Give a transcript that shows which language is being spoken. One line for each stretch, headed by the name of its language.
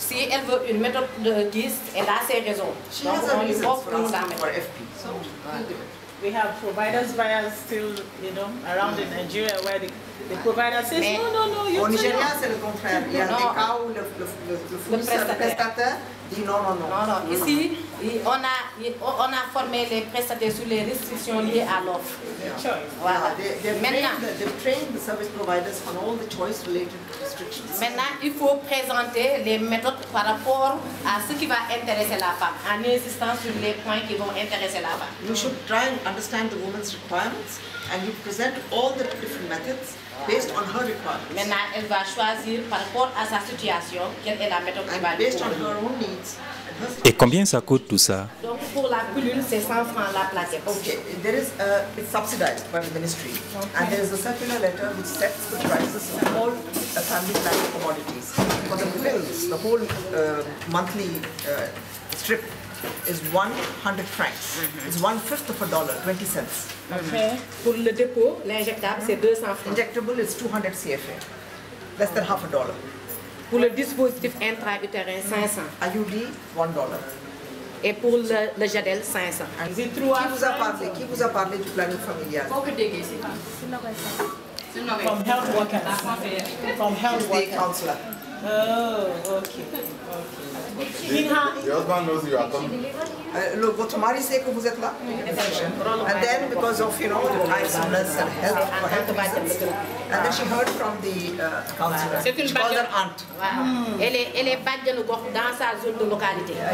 French: Si elle veut une méthode de GIST, elle a ses raisons.
English: She
French: donc
English: has a reason for asking for FP. So, we'll do it. We have providers bias still, you know, around in Nigeria where the provider says,
French: mais
English: no, you can't.
French: Au Nigeria, c'est le contraire. Il y a des cas où le prestataire dit non. Ici, on a formé les prestataires sur les restrictions liées à l'offre.
English: Yeah. Choice.
French: Voilà.
English: They've trained the service providers on all the choice-related restrictions.
French: Maintenant, il faut présenter les méthodes par rapport à ce qui va intéresser la femme, en insistant sur les points qui vont intéresser la femme.
English: You should try and understand the woman's requirements, and you present all the different methods based on her requirements.
French: Maintenant, elle va choisir par rapport à sa situation quelle est la méthode qui va lui
English: based on her own needs.
French: Et combien ça coûte tout ça? Donc pour la pilule, c'est 100 francs la plaquette.
English: Okay, there is it's subsidized by the ministry. Okay. And there is a circular letter which sets the prices of all the family plan commodities. For the pills, the whole monthly strip is 100 francs. Mm-hmm. It's 1/5 of a dollar, 20 cents.
French: Okay. Mm-hmm. Pour le dépôt, l'injectable, mm-hmm. c'est 200 francs.
English: Injectable is 200 CFA. Less than half a dollar.
French: Pour le dispositif intra-utérin, 500.
English: IUD, $1.
French: Et pour le Jadel, 500. Qui vous a parlé du planning familial?
English: From health workers. From health workers. She's the counselor. Okay. Your husband knows you are coming. Look,
French: votre mari sait que vous êtes là.
English: And then because of, you know, the isolation and health for health reasons. And then she heard from the counselor.
French: C'est une
English: she called her aunt. Wow.
French: Elle est badjane gokh dans sa zone de localité.